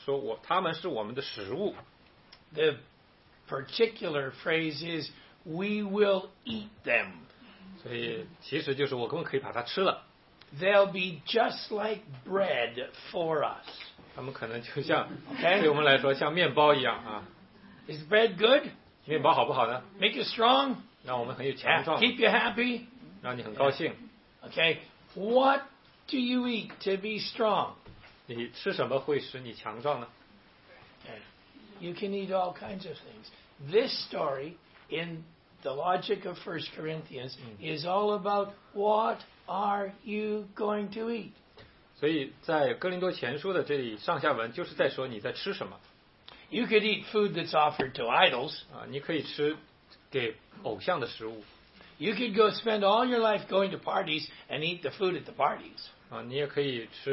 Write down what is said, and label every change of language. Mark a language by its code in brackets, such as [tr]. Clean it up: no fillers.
[zh] 那我们先看这个小词啊，说他们是我们的食物。 [en] The particular phrase is, we will eat them. [zh] 所以其实就是我根本可以把它吃了。 [en] They'll be just like bread for us. [zh] 他们可能就像对我们来说像面包一样啊。 [en] Is bread good? [zh] 面包好不好呢？ [en] Make you strong? [zh] 让我们很有强壮。 [en] Keep you happy? [zh] 让你很高兴。 [en] Okay. What do you eat to be strong? [zh] 你吃什么会使你强壮呢？ [en] Okay. You can eat all kinds of things. This story in the logic of 1 Corinthians is all about what are you going to eat? [zh] 所以在哥林多前书的这里上下文就是在说你在吃什么。 [en] You could eat food that's offered to idols. [zh] 你可以吃给偶像的食物。 [en] You could go spend all your life going to parties and eat the food at the parties.